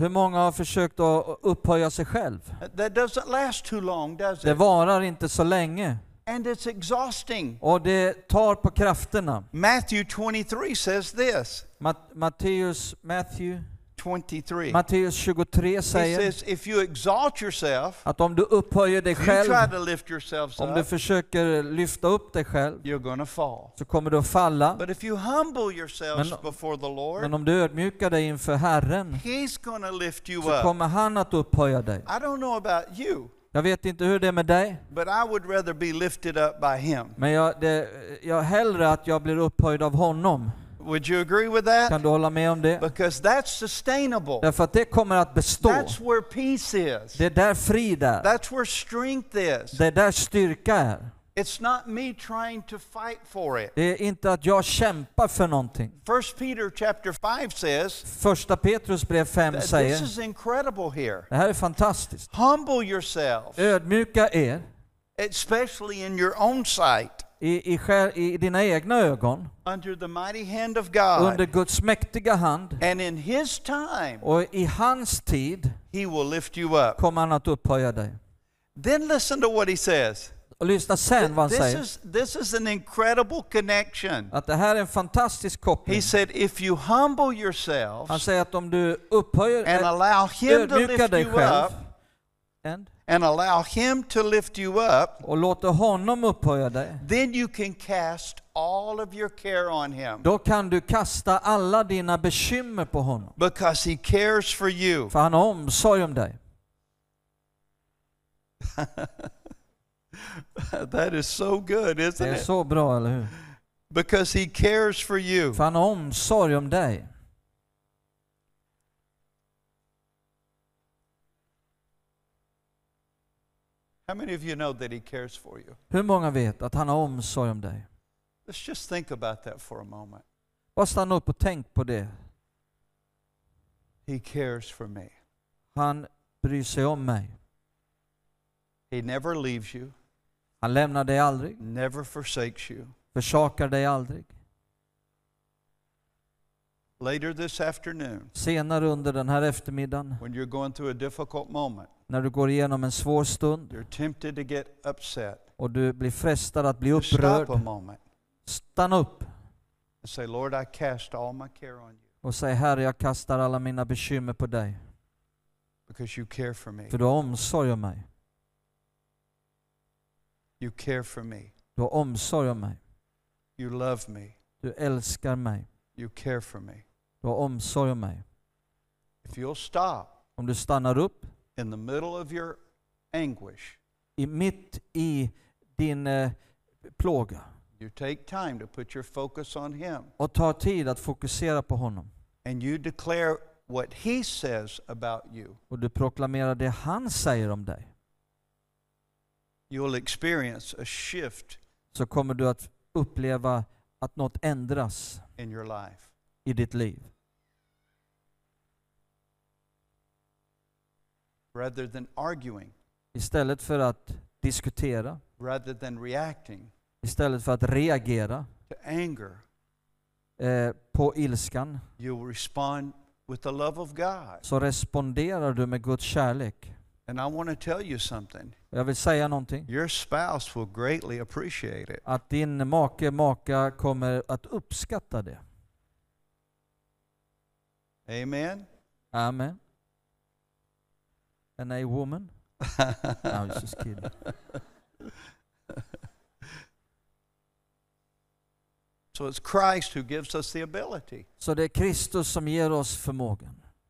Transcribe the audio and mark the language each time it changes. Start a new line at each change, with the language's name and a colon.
Swedish: Hur många har försökt att upphöja sig själv?
English: That doesn't last too long, does it?
Swedish: Det varar inte så länge.
English: And it's exhausting.
Swedish: Och det tar på krafterna.
English: Matthew 23 says this.
Swedish: Matteus 23 säger
English: he says, if you exalt yourself,
Swedish: att om du upphöjer dig själv,
English: you try to lift yourself
Swedish: om du försöker lyfta upp dig själv,
English: you're gonna fall.
Swedish: Så kommer du att falla.
English: But if you humble yourselves before the Lord,
Swedish: men om du ödmjukar dig inför Herren,
English: he's gonna lift you
Swedish: så
English: up.
Swedish: Kommer han att upphöja dig.
English: I don't know about you.
Swedish: Jag vet inte hur det är med dig.
English: But I would rather be lifted up by him.
Swedish: Men jag hellre att jag blir upphöjd av honom.
English: Would you agree with that?
Swedish: Kan du hålla med om det?
English: Because that's sustainable.
Swedish: Därför att det kommer att bestå.
English: That's where peace is.
Swedish: Det är där frid är.
English: That's where strength is.
Swedish: Det är där styrka är.
English: It's not me trying to fight for it.
Swedish: Det är inte att jag kämpar för någonting.
English: 1 Peter chapter 5 says.
Swedish: Första Petrus brev 5 säger.
English: This is incredible here.
Swedish: Det här är fantastiskt.
English: Humble yourself.
Swedish: Ödmjuka er.
English: Especially in your own sight.
Swedish: I dina egna ögon.
English: Under the mighty hand of God.
Swedish: Under Guds mäktiga hand.
English: And in his time.
Swedish: Och i hans tid.
English: He will lift you up.
Swedish: Kommer han att upphöja dig.
English: Then listen to what he says.
Swedish: Och lyssna sen vad han säger.
English: This is an incredible connection.
Swedish: Att det här är en fantastisk koppling.
English: He said if you humble yourself.
Swedish: Han säger att om du upphöjer
English: and allow him to lift you up. And allow him to lift you up.
Swedish: Och låta honom upphöja dig.
English: Then you can cast all of your care on him.
Swedish: Då kan du kasta alla dina bekymmer på honom.
English: Because he cares for you.
Swedish: För han har omsorg om dig.
English: That is so good, isn't it?
Swedish: Det är så bra, eller hur?
English: Because he cares for you.
Swedish: För han har omsorg om dig.
English: How many of you know that he cares for you?
Swedish: Hur många vet att han har omsorg om dig?
English: Let's just think about that for a moment.
Swedish: Bara stanna upp och tänk på det.
English: He cares for me.
Swedish: Han bryr sig om mig.
English: He never leaves you.
Swedish: Han lämnar dig aldrig.
English: Never forsakes you.
Swedish: Försakar dig aldrig.
English: Later this afternoon.
Swedish: Senare under den här eftermiddagen.
English: When you're going through a difficult moment.
Swedish: När du går igenom en svår stund.
English: You're tempted to get upset.
Swedish: Och du blir frestad att bli upprörd.
English: Stop a moment.
Swedish: Stanna upp.
English: And say, Lord, I cast all my care on you.
Swedish: Och säg, Herre, jag kastar alla mina bekymmer på dig.
English: Because you care for me.
Swedish: För du har omsorg om mig.
English: You care for me.
Swedish: Du har omsorg om mig.
English: You love me.
Swedish: Du älskar mig.
English: You care for me.
Swedish: Du har omsorg om mig.
English: If you'll stop.
Swedish: Om du stannar upp.
English: In the middle of your anguish.
Swedish: I mitt i din plåga.
English: You take time to put your focus on him.
Swedish: Och ta tid att fokusera på honom.
English: And you declare what he says about you.
Swedish: Och du proklamerar det han säger om dig.
English: You'll experience a shift.
Swedish: Så kommer du att uppleva att något ändras
English: in your life.
Swedish: I ditt liv.
English: Rather than arguing.
Swedish: Istället för att diskutera.
English: Rather than reacting.
Swedish: Istället för att reagera.
English: To anger.
Swedish: På ilskan.
English: You respond with the love of God.
Swedish: Så responderar du med Guds kärlek.
English: And I want to tell you something.
Swedish: Jag vill säga någonting.
English: Your spouse will greatly appreciate it.
Swedish: Att din maka kommer att uppskatta det.
English: Amen. Amen. And a woman. No, I was just kidding. So it's Christ who gives us the ability.
Swedish: Så det är Kristus som ger oss förmågan.